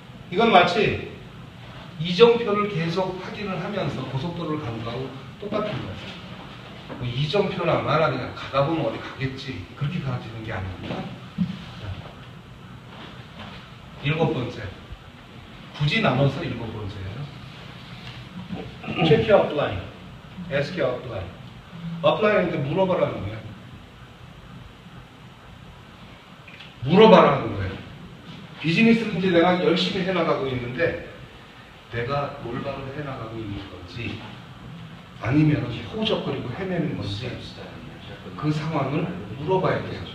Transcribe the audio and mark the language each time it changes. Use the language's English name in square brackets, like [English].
[Korean] 이건 마치 이정표를 계속 확인을 하면서 고속도로를 가는 거하고 똑같은 거예요. 뭐 이정표나 말아 그냥 가다 보면 어디 가겠지, 그렇게 가지는 게 아닙니다. 일곱 번째, 굳이 나눠서 일곱 번째예요. [English] Check your upline, ask your upline. [Korean] Upline한테 물어보라는 거예요. 물어보라는 거예요. 비즈니스는 이제 내가 열심히 해나가고 있는데 내가 올바로 해나가고 있는 건지, 아니면 호적거리고 헤매는 건지 그 상황을 물어봐야 돼요.